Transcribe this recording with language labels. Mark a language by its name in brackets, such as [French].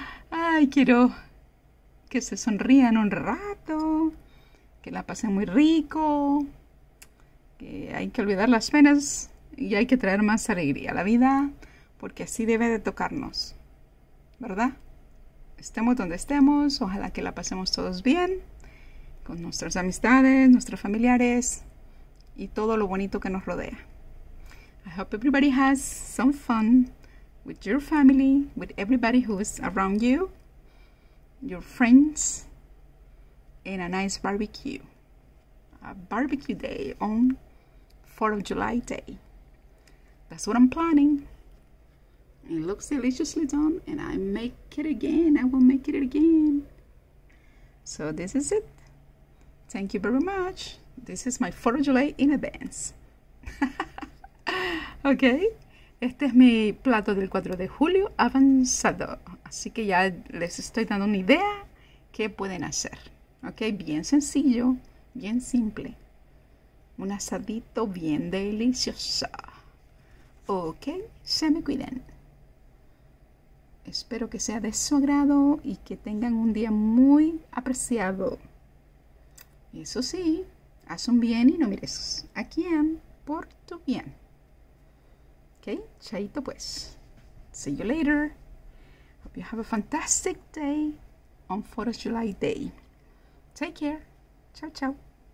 [Spanish] Ay, quiero que se sonrían un rato, que la pasen muy rico, que hay que olvidar las penas y hay que traer más alegría a la vida, porque así debe de tocarnos, ¿verdad? Estemos donde estemos, ojalá que la pasemos todos bien, con nuestras amistades, nuestros familiares y todo lo bonito que nos rodea. [English] I hope everybody has some fun with your family, with everybody who's around you. Your friends in a nice barbecue. A barbecue day on 4th of July day. That's what I'm planning. It looks deliciously done, and I make it again. I will make it again. So, this is it. Thank you very much. This is my 4th of July in advance. Okay. [Spanish] Este es mi plato del 4 de julio avanzado. Así que ya les estoy dando una idea qué pueden hacer. Ok, bien sencillo, bien simple. Un asadito bien delicioso. Ok, se me cuiden. Espero que sea de su agrado y que tengan un día muy apreciado. Eso sí, haz un bien y no mires a quién por tu bien. [English] Okay, [Spanish] chaito pues. [English] See you later. Hope you have a fantastic day on 4th of July Day. Take care. [Spanish] Chao, chao.